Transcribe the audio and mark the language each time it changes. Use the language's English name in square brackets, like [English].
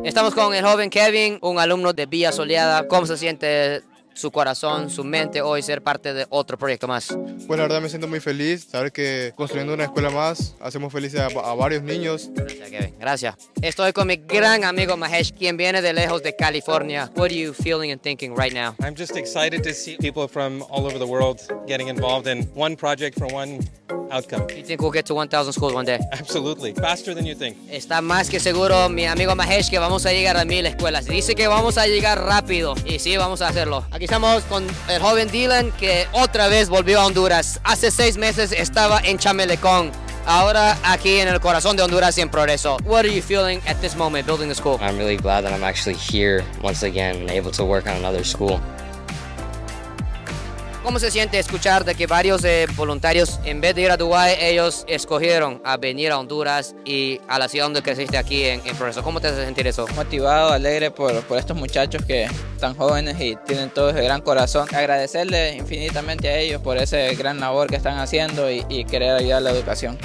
[Spanish] Estamos con el joven Kevin, un alumno de Villa Soleada. ¿Cómo se siente su corazón, su mente hoy ser parte de otro proyecto más? Pues la verdad me siento muy feliz, saber que construyendo una escuela más hacemos felices a varios niños. Gracias, Kevin. Gracias. Estoy con mi gran amigo Mahesh, quien viene de lejos de California. [English] What are you feeling and thinking right now? I'm just excited to see people from all over the world getting involved in one project for one outcome. You think we'll get to 1,000 schools one day? Absolutely. Faster than you think. [Spanish] Está más que seguro mi amigo Mahesh que vamos a llegar a 1,000 escuelas. Dice que vamos a llegar rápido y sí, vamos a hacerlo. Aquí estamos con el joven Dylan que otra vez volvió a Honduras. Hace 6 meses estaba en Chamelecón. Ahora aquí en el corazón de Honduras y en Progreso. [English] What are you feeling at this moment building the school? I'm really glad that I'm actually here once again and able to work on another school. [Spanish] ¿Cómo se siente escuchar de que varios voluntarios, en vez de ir a Dubái, ellos escogieron a venir a Honduras y a la ciudad donde creciste aquí en Progreso? ¿Cómo te hace sentir eso? Motivado, alegre por estos muchachos que están jóvenes y tienen todo ese gran corazón. Agradecerle infinitamente a ellos por ese gran labor que están haciendo y querer ayudar a la educación.